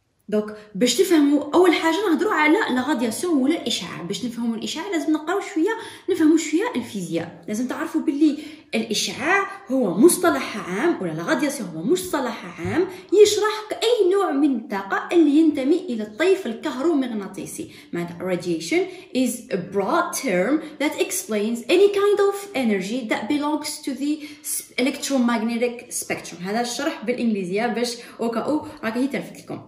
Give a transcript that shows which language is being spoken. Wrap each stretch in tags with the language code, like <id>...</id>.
<ar>دونك باش تفهموا اول حاجه نهضروا على لا راديياسيون ولا الاشعاع. باش نفهموا الاشعاع لازم نقراو شويه، نفهموا شويه الفيزياء. لازم تعرفوا باللي الاشعاع هو مصطلح عام، ولا لا راديياسيون هو مصطلح عام يشرح اي نوع من الطاقه اللي ينتمي الى الطيف الكهرومغناطيسي. معناتها</ar> <en>radiation is a broad term that explains any kind of energy that belongs to the electromagnetic spectrum.</en> <ar>هذا الشرح بالانجليزيه باش اوكاو راكي تلفت لكم.</ar>